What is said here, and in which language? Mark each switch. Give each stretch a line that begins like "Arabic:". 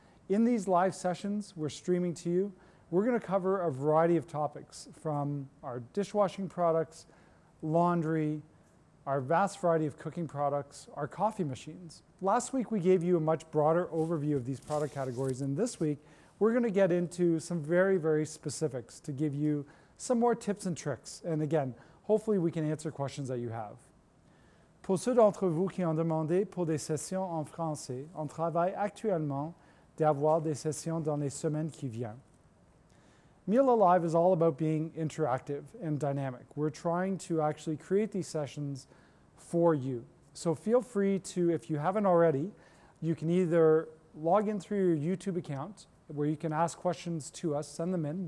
English: In these live sessions we're streaming to you, we're going to cover a variety of topics from our dishwashing products, laundry, our vast variety of cooking products, our coffee machines. Last week we gave you a much broader overview of these product categories, and this week we're going to get into some very, very specifics to give you some more tips and tricks. And again, hopefully we can answer questions that you have.
French: Pour ceux d'entre vous qui ont demandé pour des sessions en français, on travaille actuellement d'avoir des sessions dans les semaines qui viennent.
English: Miele Live is all about being interactive and dynamic. We're trying to actually create these sessions for you. So feel free to, if you haven't already, you can either log in through your YouTube account where you can ask questions to us, send them in.